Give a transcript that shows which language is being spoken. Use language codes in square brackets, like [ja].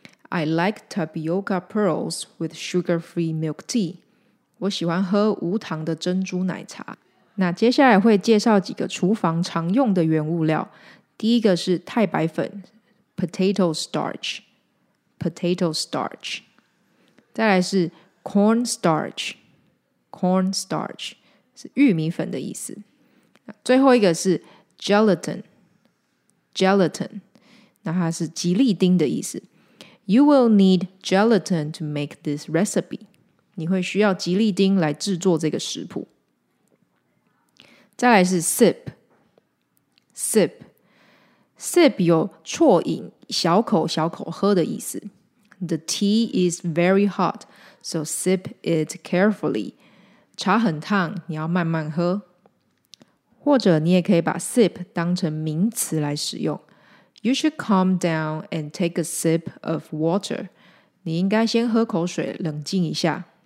[en] I like tapioca pearls with sugar-free milk tea. [zh] 我喜欢喝无糖的珍珠奶茶。那接下来会介绍几个厨房常用的原物料。第一个是太白粉 ，potato starch。再来是 corn starch 是玉米粉的意思。最后一个是 gelatin， 那它是吉利丁的意思。 [en] You will need gelatin to make this recipe. [zh] 你会需要吉利丁来制作这个食谱。再来是 sip 有啜饮、小口小口喝的意思。 [en] The tea is very hot, so sip it carefully. [zh] 茶很烫，你要慢慢喝。或者你也可以把 sip 当成名词来使用。 [en] You should calm down and take a sip of water. [zh] 你应该先喝口水，冷静一下。